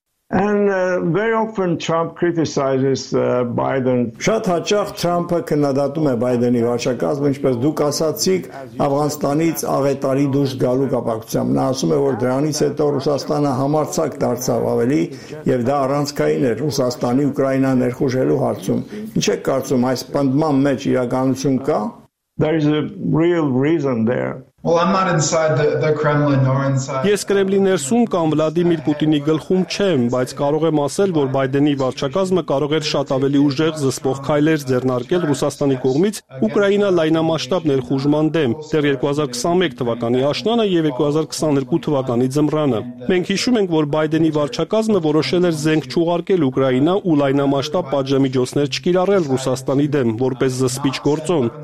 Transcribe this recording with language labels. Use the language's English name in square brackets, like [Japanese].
[English] And very often Trump criticizes Biden. [Armenian] Շատ հաճախ Թրամփը քննադատում է Բայդենի վարչակազմը, ինչպես դուք ասացիք, Աֆղանստանից աղետարի դուրս գալու կապակցությամբ։ Նա ասում է, որ դրանից հետո Ռուսաստանը համարձակ դարձավ ավելի, և դա առանցքային էր Ռուսաստանի Ուկրաինա ներխուժելու հարցում։ Ինչ եք կարծում, այս պնդման մեջ իրականություն կա? [English] There is a real reason there. Well, I'm not inside the Kremlin nor inside. [Armenian] Ես Կրեմլի ներսում կամ Վլադիմիր Պուտինի գլխում չեմ, բայց կարող եմ ասել, որ Բայդենի վարչակազմը կարող էր շատ ավելի ուժեղ զսպող քայլեր ձեռնարկել Ռուսաստանի կողմից Ուկրաինա լայնամասշտաբ ներխուժման դեմ, դեռ 2021 թվականի աշնանը և 2022 թվականի ձմռանը։ Մենք հիշում ենք, որ Բայդենի վարչակազմը որոշել էր զենք չուղարկել Ուկրաինա ու լայնամասշտաբ պատժամիջոցներ չկիրառել Ռուսաստանի դեմ, որպես զսպիչ գործոն,